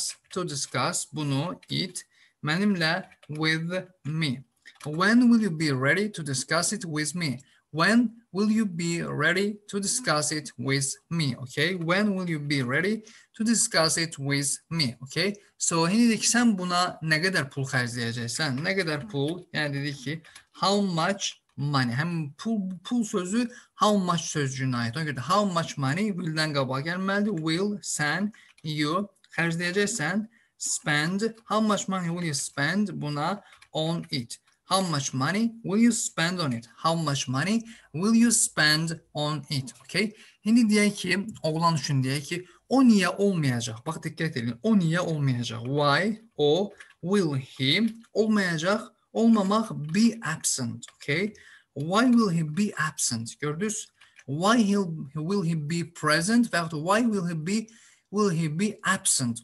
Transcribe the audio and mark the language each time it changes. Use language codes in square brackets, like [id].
[en] To discuss [az] bunu [en] it [az] mənimlə [en] with me. When will you be ready to discuss it with me? When will you be ready to discuss it with me? Okay? When will you be ready to discuss it with me? Okay? [az] So, yəni dedik ki, sən buna nə qədər pul xərcləyəcəksən? Nə qədər pul? Yəni dedik ki, [en] how much money? [az] Həm pul sözü how much sözcüyünə aid. Ona görə [en] how much money [az] will-dən qabaq gəlməlidir. [en] Will [az] sən [en] you [az] xərcləyəcəksən [en] spend how much money will you spend [az] buna [en] on it? How much money will you spend on it? How much money will you spend on it? Okay? [az] İndi deyək ki, oğlan üçün deyək ki, o niyə olmayacaq? Bax, diqqət edin. O niyə olmayacaq? [en] Why? [az] O, [en] will he? [az] Olmayacaq. Olmamaq, [en] be absent. Okay? Why will he be absent? [az] Gördünüz? [en] Why will he be present? [az] Və yaxud, [en] why will he be absent?